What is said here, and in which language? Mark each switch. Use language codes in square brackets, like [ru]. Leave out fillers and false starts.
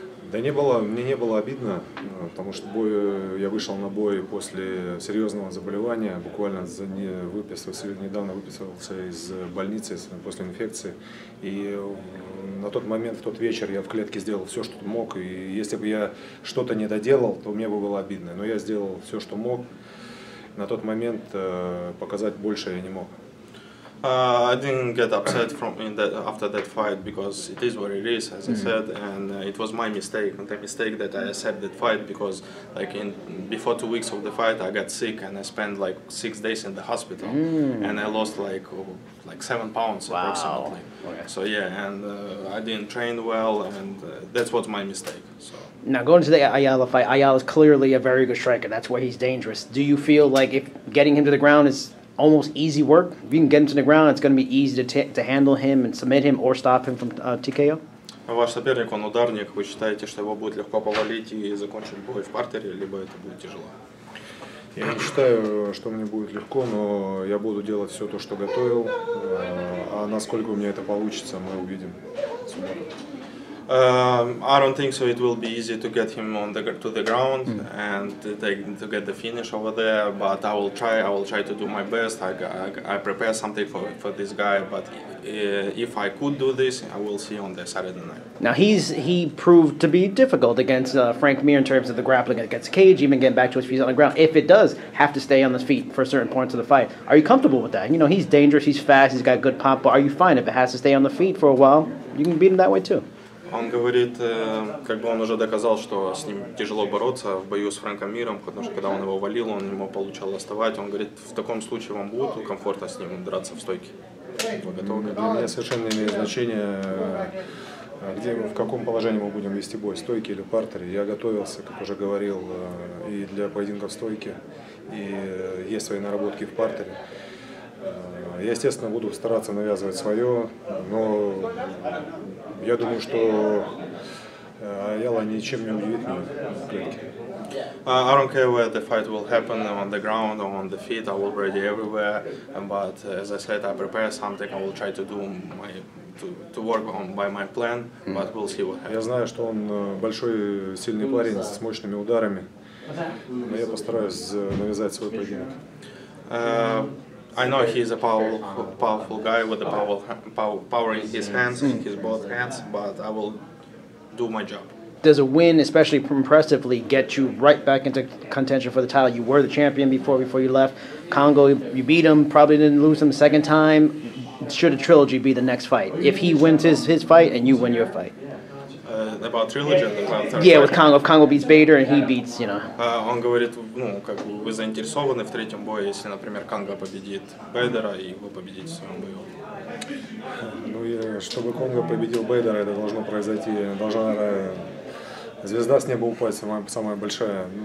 [ru] Да не было, мне не было обидно, потому что я вышел на бой после серьезного заболевания, буквально недавно выписывался из больницы после инфекции. И на тот момент, в тот вечер я в клетке сделал все, что мог. И если бы я что-то не доделал, то мне бы было обидно. Но я сделал все, что мог. На тот момент показать больше я не мог. [en] I didn't get upset after that fight because it is what it is, as I said, and it was my mistake, and the mistake that I accepted that fight because, like, before 2 weeks of the fight, I got sick and I spent like 6 days in the hospital, and I lost like 7 pounds approximately. Okay. So yeah, and I didn't train well, and that's what my mistake. So. Now going to the Ayala fight, Ayala is clearly a very good striker. That's why he's dangerous. Do you feel like if getting him to the ground is almost easy work? If you can get him to the ground, it's going to be easy to handle him and submit him or stop him from TKO? [ru] Ваш соперник, он ударник. Вы считаете, что его будет легко повалить и закончить бой в партере, либо это будет тяжело? Я не считаю, что мне будет легко, но я буду делать все то, что готовил. А насколько у меня это получится, мы увидим. [en] I don't think so. It will be easy to get him on to the ground and to get the finish over there. But I will try. I will try to do my best. I prepare something for this guy. But if I could do this, I will see on the Saturday night. Now he proved to be difficult against Frank Mir in terms of the grappling against Cage, even getting back to his feet on the ground. If it does have to stay on his feet for certain points of the fight, are you comfortable with that? You know, he's dangerous. He's fast. He's got good pop. But are you fine if it has to stay on the feet for a while? You can beat him that way too. [ru] Он говорит, как бы он уже доказал, что с ним тяжело бороться в бою с Фрэнком Миром, потому что когда он его валил, он ему получал оставать. Он говорит, в таком случае вам будет комфортно с ним драться в стойке. Для меня совершенно не имеет значения, где, в каком положении мы будем вести бой, стойке или партере. Я готовился, как уже говорил, и для поединка в стойке, и есть свои наработки в партере. Я, естественно, буду стараться навязывать свое, но я думаю, что Аяла ничем не удивит меня в клетке. [en] I don't care where the fight will happen, on the ground or on the feet, I will be ready everywhere. But as I said, I prepare something, I will try to do my to work on by my plan, but we'll see what happens. [ru] Я знаю, что он большой, сильный парень с мощными ударами, но я постараюсь навязать свой поединок. [en] I know he's a powerful guy with the power in his hands, in his both hands, but I will do my job. Does a win, especially impressively, get you right back into contention for the title? You were the champion before you left. Congo, you beat him, probably didn't lose him the second time. Should a trilogy be the next fight? If he wins his fight and you win your fight? about trilogy of Bellator. Yeah, with Конго. Конго beats Бейдер, and he beats, you know. [ru] Он говорит, ну, как бы вы заинтересованы в третьем бою, если, например, Конго победит Бейдера, и вы победите в своем бою. Ну, я, чтобы Конго победил Бейдера, это должно произойти, должна, наверное, звезда с неба упасть, самая большая.